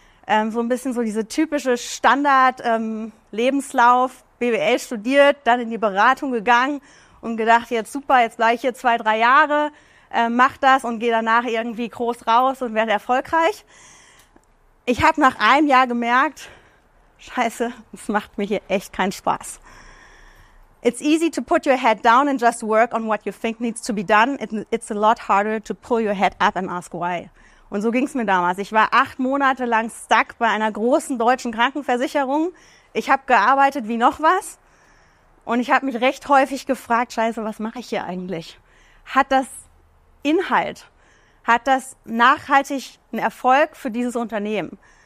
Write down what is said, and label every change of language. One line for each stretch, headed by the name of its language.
German: So ein bisschen so diese typische Standard-Lebenslauf, BWL studiert, dann in die Beratung gegangen und gedacht, jetzt super, jetzt bleibe ich hier 2, 3 Jahre, mach das und gehe danach irgendwie groß raus und werde erfolgreich. Ich habe nach einem Jahr gemerkt, scheiße, das macht mir hier echt keinen Spaß.
English: It's easy to put your head down and just work on what you think needs to be done. It's a lot harder to pull your head up and ask why.
German: Und so ging es mir damals. Ich war 8 Monate lang stuck bei einer großen deutschen Krankenversicherung. Ich habe gearbeitet wie noch was. Und ich habe mich recht häufig gefragt, scheiße, was mache ich hier eigentlich? Hat das Inhalt? Hat das nachhaltig einen Erfolg für dieses Unternehmen?